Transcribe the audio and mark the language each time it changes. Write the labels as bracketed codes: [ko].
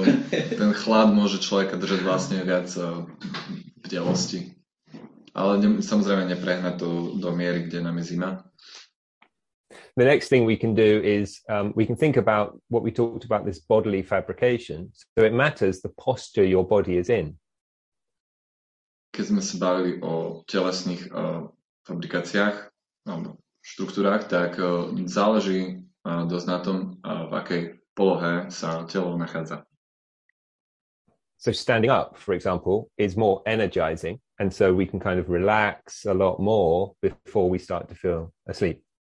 [sk] Ten chlad môže človeka držať vlastne viac v delosti. Ale samozrejme neprehnať to do miery, kde nám je zima. [en] The next thing we can do is we can think about what we talked about, this bodily fabrication. So it matters the posture your body is in. [sk] Keď sme sa bavili o telesných fabrikáciách alebo štruktúrách, tak záleží dosť na tom, v akej polohe sa telo nachádza. [en] So standing up, for example, is more energizing, and so we can kind of relax a lot more before we start to feel asleep.